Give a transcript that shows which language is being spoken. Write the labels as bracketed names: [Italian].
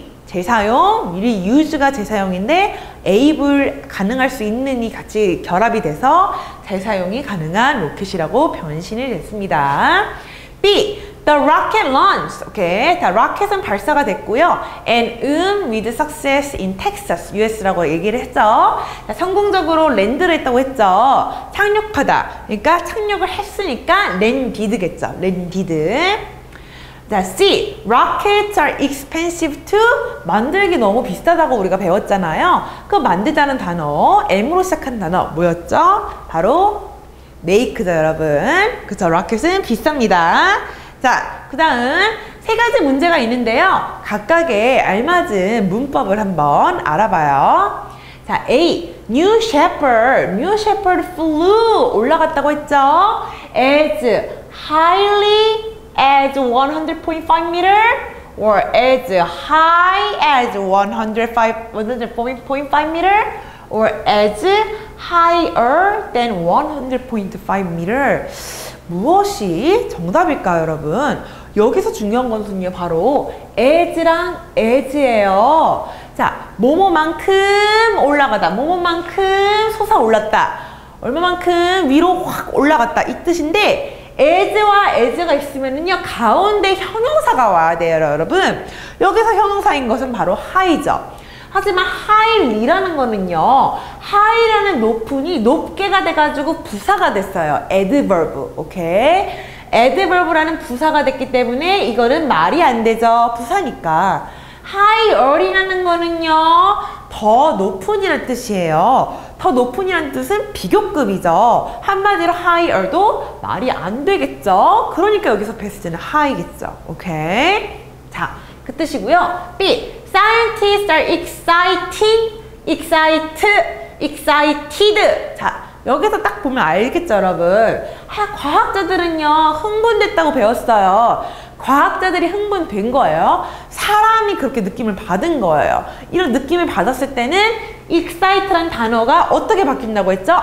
[Korean] reuse가 재사용인데 able 가능할 수 있는 이 같이 결합이 돼서 재사용이 가능한 로켓이라고 변신이 됐습니다. [English] B. The rocket launched. Okay. [Korean] 자, 로켓은 발사가 됐고요. [English] And with success in Texas, US라고 [Korean] 얘기를 했죠. 자, 성공적으로 랜드를 했다고 했죠. 착륙하다. 그러니까 착륙을 했으니까 랜디드겠죠. 랜디드. 자, C. [English] Rockets are expensive to. [Korean] 만들기 너무 비싸다고 우리가 배웠잖아요. 그 만들자는 단어, M으로 시작한 단어 뭐였죠? 바로 메이크죠 여러분. 그쵸, 로켓은 비쌉니다. 자, 그 다음 세 가지 문제가 있는데요, 각각의 알맞은 문법을 한번 알아봐요. 자, A. [English] New Shepard flew [Korean] 올라갔다고 했죠. [English] As highly as 100.5 meter or as high as 105.5 meter or as higher than 100.5 meter. [Korean] 무엇이 정답일까요, 여러분? 여기서 중요한 것은요, 바로 as랑 as예요. 자, 뭐뭐만큼 올라가다, 뭐뭐만큼 솟아올랐다, 얼마만큼 위로 확 올라갔다 이 뜻인데, as와 as가 있으면은요, 가운데 형용사가 와야 돼요, 여러분. 여기서 형용사인 것은 바로 high죠. 하지만 highly라는 거는요, high라는 높으니 높게가 돼가지고 부사가 됐어요. [English] adverb, okay? [Korean] adverb라는 부사가 됐기 때문에 이거는 말이 안 되죠. 부사니까. higher이라는 거는요, 더 높은이란 뜻이에요. 더 높은이란 뜻은 비교급이죠. 한마디로 higher도 말이 안 되겠죠. 그러니까 여기서 best는 high겠죠. 오케이. 자, 그 뜻이고요. B. [English] Scientists are exciting, excite, excited. [Korean] 자, 여기서 딱 보면 알겠죠, 여러분. 과학자들은요, 흥분됐다고 배웠어요. 과학자들이 흥분된 거예요. 사람이 그렇게 느낌을 받은 거예요. 이런 느낌을 받았을 때는 excite라는 단어가 어떻게 바뀐다고 했죠?